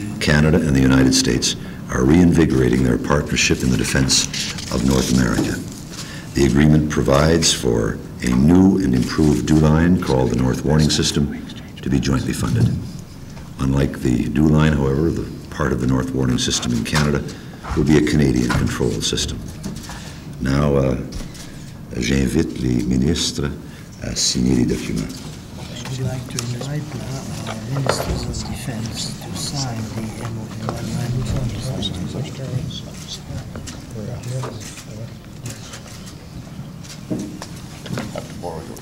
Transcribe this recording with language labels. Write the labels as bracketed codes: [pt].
[en] Canada and the United States are reinvigorating their partnership in the defense of North America. The agreement provides for a new and improved dew line called the North Warning System to be jointly funded. Unlike the dew line, however, the part of the North Warning System in Canada will be a Canadian controlled system. [fr] Now, j'invite les ministres à signer les documents. [en] Would you like to invite the ministers of defense to sign the MOU?